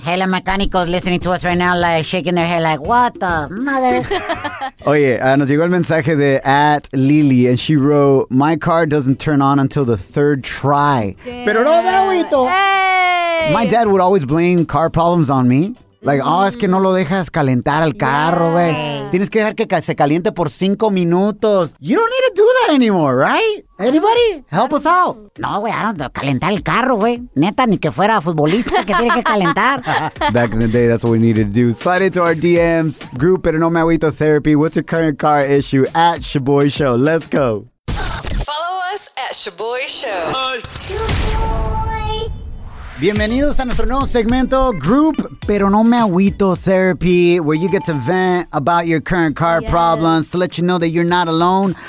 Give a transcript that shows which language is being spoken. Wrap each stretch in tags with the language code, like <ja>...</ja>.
<en>Hey,</en> <es>la mecánicos</es> <en>listening to us right now, like, shaking their head like, what the mother? Oh, yeah.</en> <es>Nos llegó el mensaje de</es> <en>at Lily, and she wrote, my car doesn't turn on until the third try.</en> <es>Pero no me agüito.</es> <en>My dad would always blame car problems on me.</en> <es>Like, es que no lo dejas calentar al carro, güey. Tienes que dejar que se caliente por 5 minutos.</es> <en>You don't need to do that anymore, right? Anybody? Help us out.</en> <es>No, güey,</es> <en>I don't</en> <es>calentar el carro, güey. Neta, ni que fuera futbolista que tiene que calentar.</es> <en>Back in the day, that's what we needed to do. Slide into our DMs. Group at No Me Agüito Therapy. What's your current car issue? At Shaboy Show. Let's go. Follow us at Shaboy Show.</en> <es>Bienvenidos a nuestro nuevo segmento,</es> <en>Group Pero No Me Agüito Therapy, where you get to vent about your current car problems to let you know that you're not alone.</en>